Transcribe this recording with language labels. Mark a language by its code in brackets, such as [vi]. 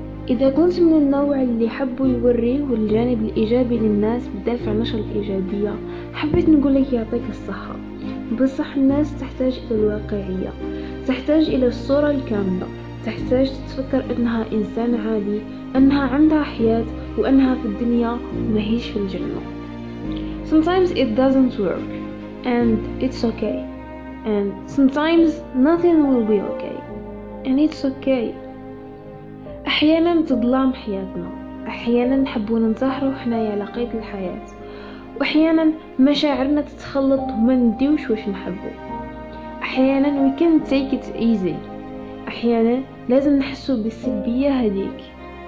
[ar] إذا كنت من النوع اللي حبوا يوريه الجانب الإيجابي للناس بدافع نشر الإيجابية، حبيت نقول لك يعطيك الصحة. بصح الناس تحتاج إلى الواقعية، تحتاج إلى الصورة الكاملة، تحتاج تفكر أنها إنسان عادي، أنها عندها حياة وأنها في الدنيا ومهيش في الجنة. [en] Sometimes it doesn't work and it's okay and sometimes nothing will be okay and it's okay. [ar] احيانا تظلام حياتنا، احيانا نحبو ننتحروا حنايا على قيد الحياه، واحيانا مشاعرنا تتخلط وما نديوش واش نحبو. احيانا [en] we can't take it easy، [ar] احيانا لازم نحسو بالسلبيه هذيك.